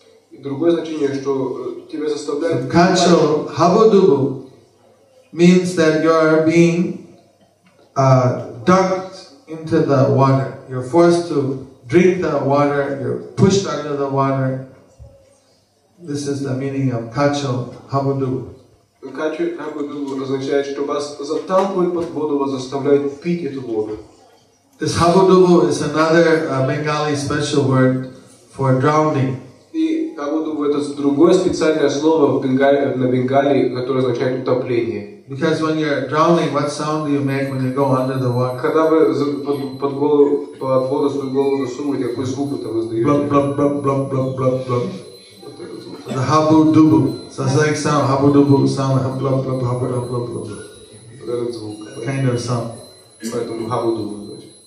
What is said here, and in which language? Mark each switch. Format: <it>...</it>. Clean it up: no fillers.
<ru>И другое значение, что тебя заставляют.</ru> <en>Kacho habodubu means that you are being dunked into the water. You're forced to drink the water. You're pushed under the water. This is the meaning of kacho habodubu.</en> <ru>Kacho habodubu означает, что вас заталкивают под воду, вас заставляют пить эту воду.</ru> <en>This habodubu is another Bengali special word for drowning.</en> <ru>И habodubu это другое специальное слово на Бенгали, которое означает утопление.</ru> <en>Because when you're drowning, what sound do you make when you go under the water?</en> <ru>Когда вы под воду свою голову засунете, какой звук это выдаёт?</ru> <en>Blub blub blub blub blub blub blub. The habudubu. So it's like sound, habudubu, sound like blub blub blub blub blub blub.</en> <ru>Это звук.</ru> <en>Kind of sound.</en> <ru>Поэтому habudubu.</ru>